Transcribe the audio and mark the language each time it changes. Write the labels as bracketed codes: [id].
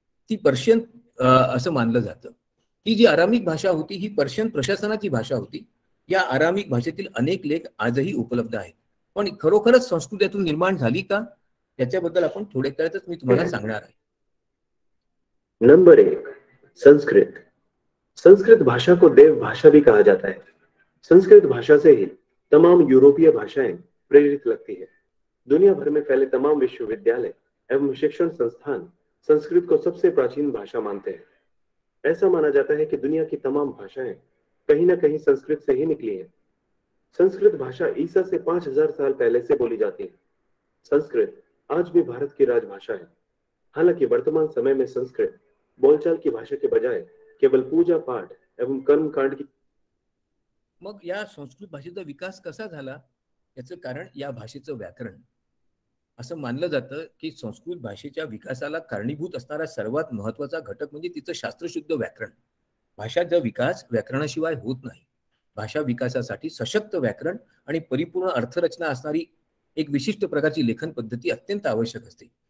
[mr] ती पर्शियन असं मानलं जातं. ही जी अरामिक भाषा होती ही पर्शियन प्रशासनाची भाषा होती. या अरामिक भाषेतील अनेक लेख आजही उपलब्ध आहेत. पण खरोखरच संस्कृत यातून निर्माण झाली का, याच्याबद्दल आपण थोडे काळातच मी तुम्हाला सांगणार आहे. नंबर एक, संस्कृत. [hi] संस्कृत भाषा को देव भाषा भी कहा जाता है. संस्कृत भाषा से ही तमाम यूरोपीय भाषाएं प्रेरित लगती है. दुनिया भर में फैले तमाम विश्वविद्यालय एवं शिक्षण संस्थान संस्कृत को सबसे प्राचीन भाषा मानते हैं. ऐसा माना जाता है कि दुनिया की तमाम भाषाएं कहीं ना कहीं संस्कृत से ही निकली है. संस्कृत भाषा ईसा से 5000 साल पहले से बोली जाती है. संस्कृत आज भी भारत की राजभाषा है. हालांकि वर्तमान समय में संस्कृत बोलचाल की भाषा के बजाय केवल पूजा पाठ एवं कर्म कांड की. [mr] मग या संस्कृत भाषेचा विकास कसा झाला, याचं कारण या भाषेचं व्याकरण. असं मानलं जातं की संस्कृत भाषेच्या विकासाला कारणीभूत असणारा सर्वात महत्वाचा घटक म्हणजे तिचं शास्त्रशुद्ध व्याकरण. भाषाचा विकास व्याकरणाशिवाय होत नाही. भाषा विकासासाठी सशक्त व्याकरण आणि परिपूर्ण अर्थरचना असणारी एक विशिष्ट प्रकारची लेखन पद्धती अत्यंत आवश्यक असते.